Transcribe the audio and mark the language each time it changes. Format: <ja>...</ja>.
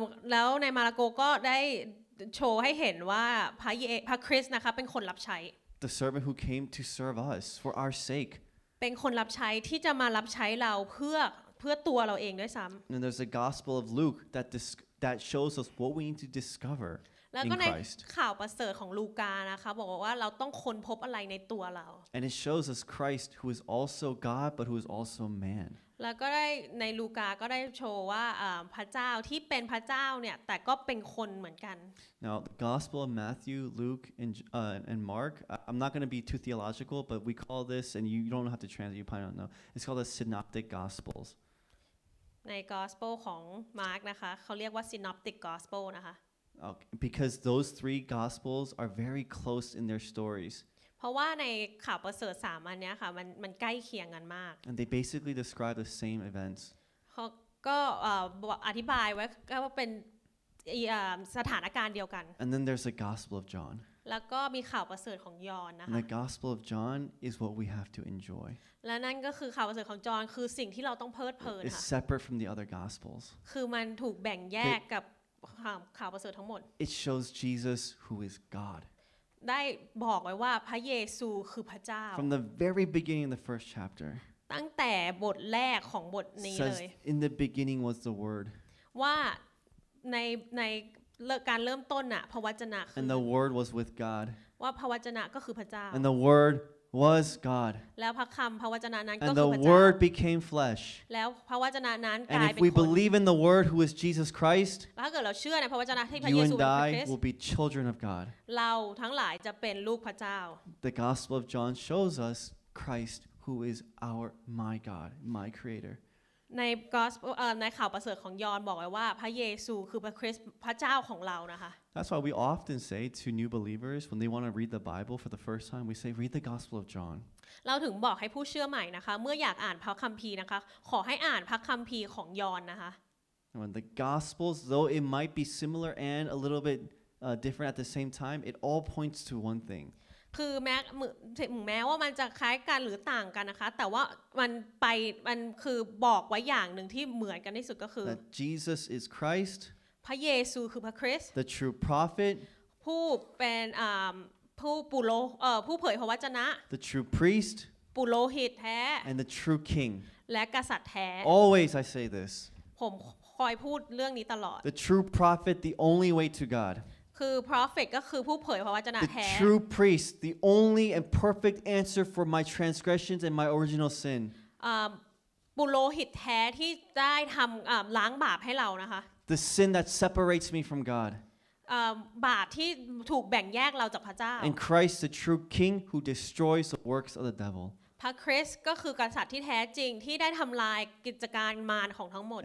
<th>แล้วในมาระโกก็ได้โชว์ให้เห็นว่าพระคริสต์นะคะเป็นคนรับใช้</th> <en>The servant who came to serve us for our sake</en> <th>เป็นคนรับใช้ที่จะมารับใช้เราเพื่อตัวเราเองด้วยซ้ํา</th> <en>And there's a gospel of Luke that shows us what we need to discover</en> <th>แล้วก็ในข่าวประเสริฐของลูกานะคะบอกว่าเราต้องค้นพบอะไรในตัวเรา</th> <en>And it shows us Christ who is also God but who is also man</en> <th>แล้วก็ได้ในลูกาก็ได้โชว์ว่าพระเจ้าที่เป็นพระเจ้าเนี่ยแต่ก็เป็นคนเหมือนกัน</th> <en>Now the Gospel of Matthew, Luke and Mark I'm not going to be too theological but we call this and you don't have to translate you probably don't know it's called the Synoptic Gospels</en> <th>ใน Gospel ของมาร์กนะคะเขาเรียกว่า Synoptic Gospel นะคะ</th> <en>Okay, because those three gospels are very close in their stories.</en> <th>เพราะว่าในข่าวประเสริฐ3อันเนี้ยค่ะมันใกล้เคียงกันมาก</th> <en>And they basically describe the same events.</en> <th>เขาก็อธิบายไว้ก็เป็นสถานการณ์เดียวกัน</th> <en>And then there's the Gospel of John.</en> <th>แล้วก็มีข่าวประเสริฐของยอห์นนะคะ</th> <en>The Gospel of John is what we have to enjoy.</en> <th>และนั่นก็คือข่าวประเสริฐของจอห์นคือสิ่งที่เราต้องเพลิดเพลินค่ะ</th> <en>It's separate from the other gospels.</en> <th>คือมันถูกแบ่งแยกกับข่าวประเสริฐทั้งหมด</th> <en>It shows Jesus who is God</en> <th>ได้บอกไว้ว่าพระเยซูคือพระเจ้า</th> <en>From the very beginning of the first chapter</en> <th>ตั้งแต่บทแรกของบทนี้เลย</th> <en>Says in the beginning was the word</en> <th>ว่าในการเริ่มต้นน่ะพระวจนะคือ</th> <en>And the word was with God</en> <th>ว่าพระวจนะก็คือพระเจ้า</th> <en>And the word was God</en> <th>แล้วพระคําพระวจนะนั้นก็คือพระเ</th> <en>จ้า And the word became flesh</en> <th>แล้วพระวจนะนั้นกลายเป็นคน</th> <en>And if we believe in the word who is Jesus Christ</en> <th>ถ้าเกิดเราเชื่อในพระวจนะที่พระเยซู ค</th> <en>ริสต์ You and I will be children of God</en> <th>เราทั้งหลายจะเป็นลูกพระเจ้า</th> <en>The Gospel of John shows us Christ who is our my God my creator</en> <th>ในในข่าวประเสริฐของยอห์นบอกไว้ว่าพระเยซูคือพระคริสต์พระเจ้าของเรานะคะ</th> <en>That's why we often say to new believers when they want to read the Bible for the first time we say read the Gospel of John</en> <th>เราถึงบอกให้ผู้เชื่อใหม่นะคะเมื่ออยากอ่านพระคัมภีร์นะคะขอให้อ่านพระคัมภีร์ของยอห์นนะคะ</th> <en>When the Gospels though it might be similar and a little bit different at the same time it all points to one thing</en> <th>คือแม้ว่ามันจะคล้ายกันหรือต่างกันนะคะแต่ว่ามันคือบอกไว้อย่างหนึ่งที่เหมือนกันที่สุดก็คือ</th> <en>That Jesus is Christ</en> <th>พระเยซูคือพระคริสต์</th> <en>The true prophet</en> <th>ผู้เป็นผู้เผยพระวจนะ</th> <en>The true priest</en> <th>ปุโรหิตแท้</th> <en>And the true king</en> <th>และกษัตริย์แท้</th> <en>Always I say this</en> <th>ผมคอยพูดเรื่องนี้ตลอด</th> <en>The true prophet the only way to God</en> <th>คือ prophet ก็คือผู้เผยพระวจนะแท้</th> <en>The true priest the only and perfect answer for my transgressions and my original sin</en> <th>ปุโรหิตแท้ที่ได้ทําล้างบาปให้เรานะคะ</th> <en>The sin that separates me from God</en> <th>บาปที่ถูกแบ่งแยกเราจากพระเจ้า</th> <en>And Christ the true king who destroys the works of the devil</en> <th>พระคริสต์ก็คือกษัตริย์ที่แท้จริงที่ได้ทําลายกิจการมารของทั้งหมด</th>